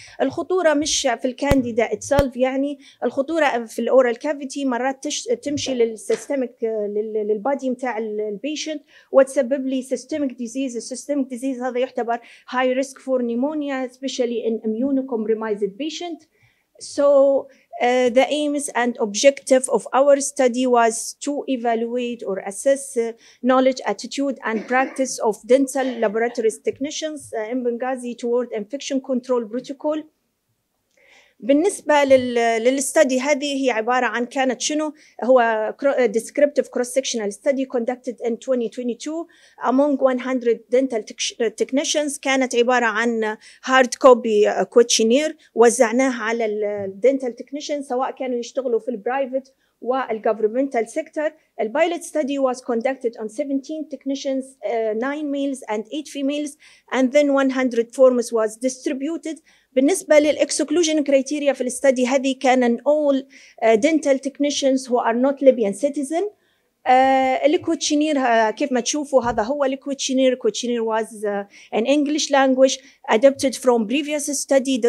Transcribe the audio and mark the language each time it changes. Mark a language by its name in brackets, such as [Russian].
[Arabic] الخطوره مش في الكانديدا اتسلف، يعني الخطوره في الاورال كافيتي، مرات تمشي للسيستميك للبادي بتاع البيشنت وتسبب لي سيستميك ديزيز. السيستميك ديزيز هذا يعتبر هاي ريسك فور نيمونيا سبيشلي ان اميونو كومبرمايزد بيشنت. [English] So the aims and objective of our study was to evaluate or assess knowledge, attitude and practice of dental laboratories technicians in Benghazi toward infection control protocol. [Arabic] بالنسبة للستدي هذه هي عبارة عن كانت شنو؟ هو [English] descriptive cross-sectional study conducted in 2022 among 100 dental technicians. [Arabic] كانت عبارة عن [English] hard copy questionnaire [Arabic] وزعناها على [English] dental technicians [Arabic] سواء كانوا يشتغلوا في البرايفت وال [English] governmental sector. The pilot study was conducted on 17 technicians, 9 males and 8 females, and then 100 forms was distributed. [Arabic] بالنسبة للإكسكلوجن كريتيريا في الستدي هذه كان أن [English] all dental technicians who are not Libyan citizen. [Arabic] الكوتشينير كيف ما تشوفوا هذا هو الكوتشينير. [English] الكوتشينير was an English language adapted from previous study.